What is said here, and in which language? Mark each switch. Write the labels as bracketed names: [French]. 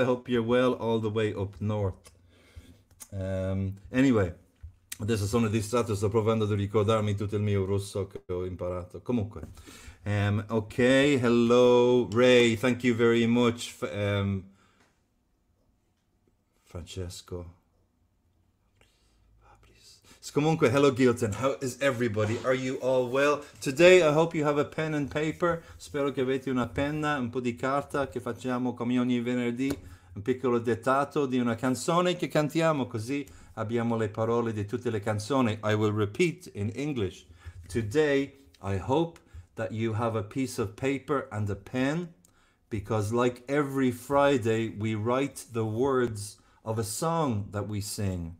[English] I hope you're well all the way up north. [Italian] Anyway, adesso sono distratto, sto provando di ricordarmi tutto il mio russo che ho imparato. [English] Comunque, ok, hello Ray, thank you very much. Francesco. Comunque, hello Gilton, how is everybody? Are you all well? Today I hope you have a pen and paper. [Italian] Spero che avete una penna, un po' di carta, che facciamo come ogni venerdì, un piccolo dettato di una canzone che cantiamo, così abbiamo le parole di tutte le canzoni. [English] I will repeat in English. Today I hope that you have a piece of paper and a pen, because like every Friday, we write the words of a song that we sing.